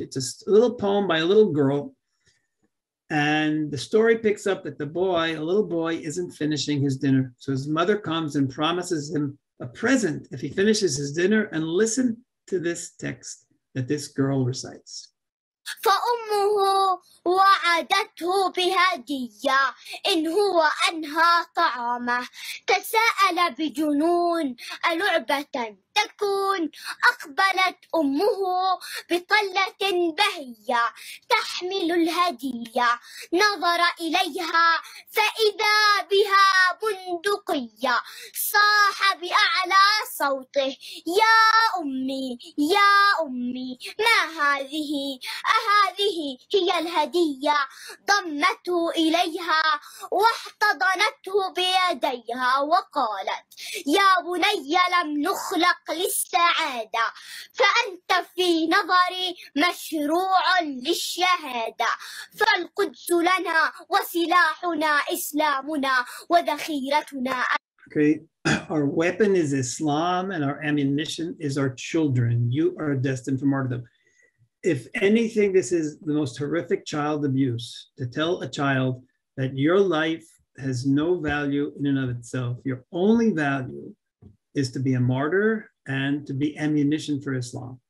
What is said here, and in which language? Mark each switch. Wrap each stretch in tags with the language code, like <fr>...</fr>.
<en>It's a little poem by a little girl. And the story picks up that the boy, a little boy, isn't finishing his dinner. So his mother comes and promises him a present if he finishes his dinner and listen to this text that this girl recites.</en> <ar>فأمه وعدته بهدية إن هو أنهى طعامه تساءل بجنون ألعبة تكون أقبلت أمه بطلة بهية تحمل الهدية نظر إليها فإذا بها بندقية صاح بأعلى صوته يا أمي يا أمي ما هذه أهذه هي الهدية ضمته إليها واحتضنته بيديها وقالت يا بني لم نخلق للسعادة فأنت في نظري مشروع للشهادة فالقدس لنا وسلاحنا إسلامنا وذخيرتنا</ar> <en>Okay, our weapon is Islam and our ammunition is our children. You are destined for martyrdom. If anything, this is the most horrific child abuse, to tell a child that your life has no value in and of itself. Your only value is to be a martyr and to be ammunition for Islam.</en>